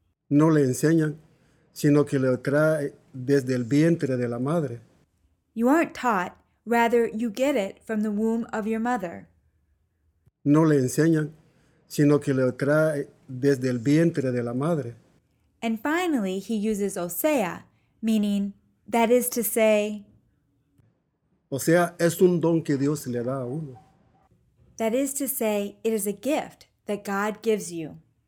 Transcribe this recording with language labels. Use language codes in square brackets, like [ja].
[es] No le enseñan, sino que le trae desde el vientre de la madre. [en] You aren't taught, rather you get it from the womb of your mother. [es] No le enseñan, sino que lo trae desde el vientre de la madre. [en] And finally, he uses o sea, meaning that is to say. [es] O sea, es un don que Dios le da a uno. [en] That is to say, it is a gift that God gives you.